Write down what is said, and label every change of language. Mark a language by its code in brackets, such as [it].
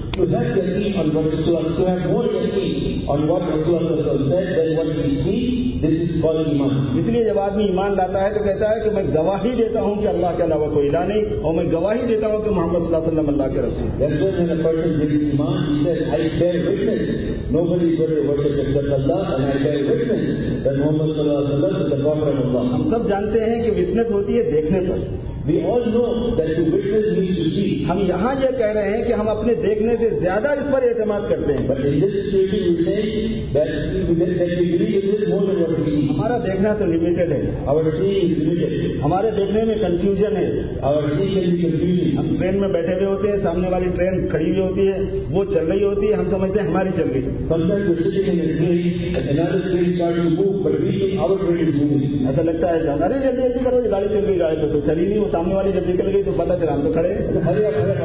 [ur] اس لیے جب آدمی ایمان لاتا ہے تو کہتا ہے کہ میں گواہی دیتا ہوں کہ اللہ کے علاوہ کوئی الہ نہیں اور میں گواہی دیتا ہوں کہ محمد صلی اللہ علیہ وسلم اللہ کے رسول ہم سب جانتے ہیں کہ وٹنس ہوتی ہے دیکھنے پر [en] We all know that to witness we should see. [ur] ہم یہاں یہ کہہ رہے ہیں کہ ہم اپنے دیکھنے سے زیادہ اس پر اعتماد کرتے ہیں [en] but in this state you say that we believe in this more than what we see [ur] ہمارا دیکھنا تو لمیٹڈ ہے [en] اور seeing is limited [ur] ہمارے دیکھنے میں کنفیوژن ہے [en] اور seeing can be confusing [ur] ہم ٹرین میں بیٹھے ہوئے ہوتے ہیں سامنے والی ٹرین کھڑی ہوئی ہوتی ہے وہ چل رہی ہوتی ہے ہم سمجھتے ہیں ہماری چل رہی ایسا لگتا ہے ارے جلدی جلدی کرو گاڑی چل رہی ہے تو چلی نہیں سامنے والی جب نکل گئی تو پتا چلا ہم تو